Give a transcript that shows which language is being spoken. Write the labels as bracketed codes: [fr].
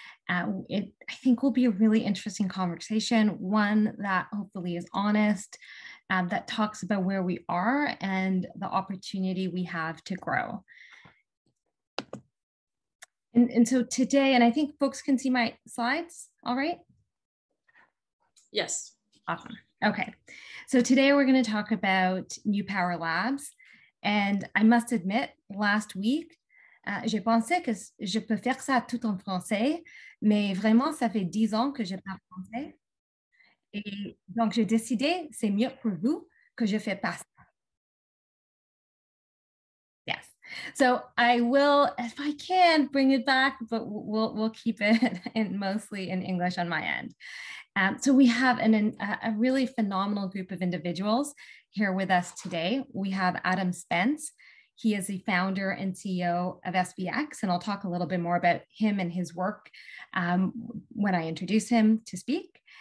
[en] I think will be a really interesting conversation, one that hopefully is honest, that talks about where we are and the opportunity we have to grow. And so today, and I think folks can see my slides, all right? Yes. Awesome. Okay. So today we're going to talk about New Power Labs. And I must admit, last week, [fr] j'ai pensé que je peux faire ça tout en français, mais vraiment, ça fait 10 ans que je parle français. Et donc, j'ai décidé, c'est mieux pour vous que je fais pas ça. [en] Yes. So I will, if I can, bring it back, but we'll keep it in mostly in English on my end. So we have a really phenomenal group of individuals here with us today. We have Adam Spence. He is the founder and CEO of SBX, and I'll talk a little bit more about him and his work when I introduce him to speak.